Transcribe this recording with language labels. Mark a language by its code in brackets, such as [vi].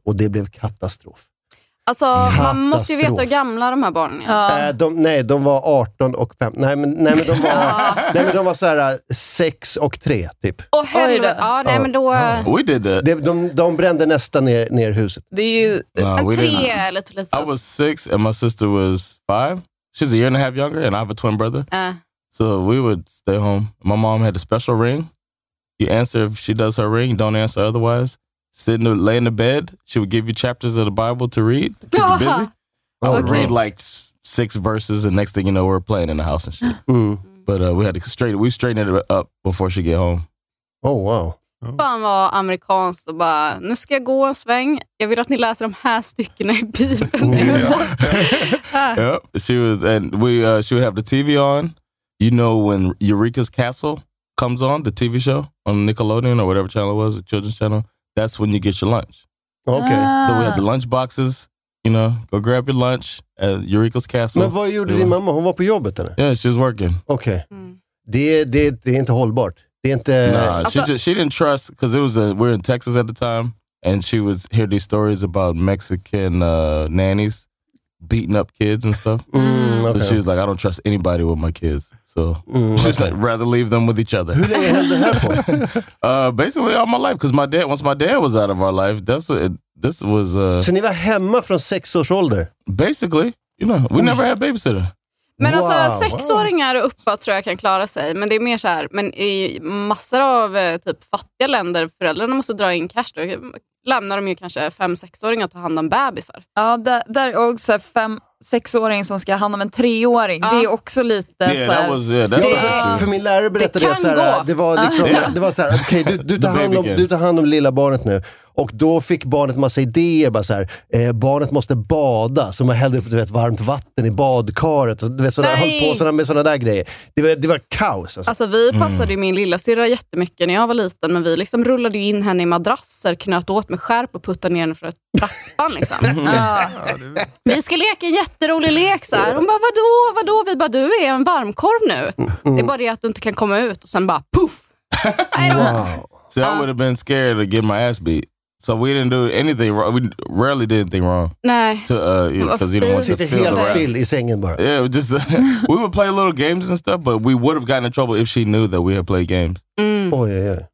[sv] Och det blev katastrof. Alltså, katastrof. Man måste ju veta hur gamla de här barnen är. Ja. De var 18 och 5. Nej, men de var, nej, men de var så här 6 och 3, typ. Åh, helvete. Ja, nej, men då... [en] We did that. [sv] De brände nästan ner huset. Det är ju en tre. [en] I was 6 and my sister was 5. She's a year and a half younger and I have a twin brother. So we would stay home. My mom had a special ring. You answer if she does her ring, don't answer otherwise. Sit in the, lay in the bed. She would give you chapters of the Bible to read. To keep you busy. Oh, I would read like 6 verses, and next thing you know, we're playing in the house and shit. Mm. But we had to straighten it up before she get home. Oh, wow. [sv] Fan vad amerikanskt och bara, nu ska jag gå en sväng. Jag vill att ni läser de här styckena i Bibeln. [en] Yeah. Yep. She was, and we, she would have the TV on. You know when Eureka's Castle comes on, the TV show on Nickelodeon or whatever channel it was, the children's channel, that's when you get your lunch. Okay. Ah. So we had the lunch boxes, you know, go grab your lunch at Eureka's Castle. [sv] Men vad gjorde din mamma? Hon var på jobbet eller? [en] Yeah, she was working. [sv] Okay. Det är inte hållbart. [en] She didn't trust, because we're in Texas at the time, and she would hear these stories about Mexican nannies beating up kids and stuff. Mm, okay. So she was like, I don't trust anybody with my kids. So she was like, rather leave them with each other. Who they had to have for? Basically all my life, because once my dad was out of our life, [sv] So ni var hemma från 6 års ålder? [en] Basically, you know, we never had babysitter. [sv] Men wow, alltså 6-åringar uppåt tror jag kan klara sig, men det är mer så här, men i massor av typ fattiga länder föräldrarna måste dra in cash, då lämnar de ju kanske 5-6-åringar att ta hand om bebisar. Ja, där är också 5-6-åring som ska ha hand om en 3-åring. Ja. Det är också lite för min lärare berättade det så här, det var liksom det var så här, okej, okay, du tar hand om lilla barnet nu. Och då fick barnet massa idéer, bara så här, barnet måste bada, så man hällde upp, du vet, varmt vatten i badkaret och du vet, sådär, höll på sådär, med sådana där grejer. Det var kaos. Alltså vi passade ju min lilla syrra jättemycket när jag var liten, men vi liksom rullade in henne i madrasser, knöt åt med skärp och puttade ner henne för trappan liksom. Vi ska leka en jätterolig lek så här. Hon bara, vadå? Vi bara, du är en varmkorv nu. Mm. Det är bara det att du inte kan komma ut, och sen bara puff. [en] See, I would have been scared to get my ass beat. So we didn't do anything wrong. We rarely did anything wrong. Because you don't want to feel the still is hanging bar. Yeah, just we would play little games and stuff, but we would have gotten in trouble if she knew that we had played games. Mm. Oh, yeah, yeah.